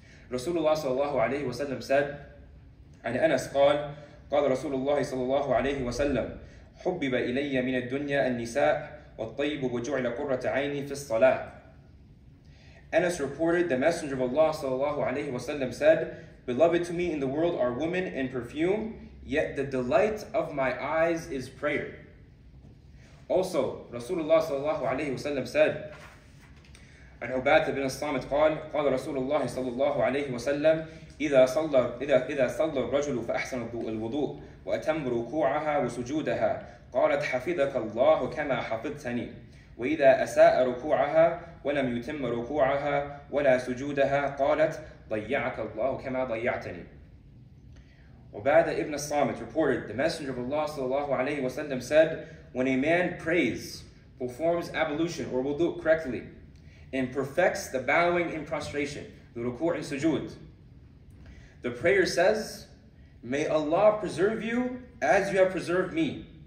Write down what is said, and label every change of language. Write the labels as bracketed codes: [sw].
[ar] Rasulullah sallallahu alayhi wa sallam said, an Anas qala Rasulullah sallallahu alayhi wa sallam, حُبِّبَ إِلَيَّ مِنَ الدُّنْيَا النِّسَاءِ وَالطَّيِّبُ وَجُعْلَ قُرَّةَ عَيْنِي فِي الصَّلَاةِ. [en] Anas reported, the Messenger of Allah sallallahu alayhi wa sallam said, beloved to me in the world are women and perfume, yet the delight of my eyes is prayer. [ar] Also, Rasulullah sallallahu alayhi wa sallam said, an Ubadah ibn al-Samit qala Rasulullah sallallahu alayhi wa sallam, إذا صلى الرجل فأحسن الوضوء وأتم ركوعها وسجودها قالت حفظك الله كما حفظتني وإذا أساء ركوعها ولم يتم ركوعها ولا سجودها قالت ضيعك الله كما ضيعتني. [en] Ubadah ibn al-Samit reported, the Messenger of Allah sallallahu alayhi wa sallam said, when a man prays, performs ablution or wudu correctly, and perfects the bowing and prostration, the ruku' and sujood, the prayer says, may Allah preserve you as you have preserved me.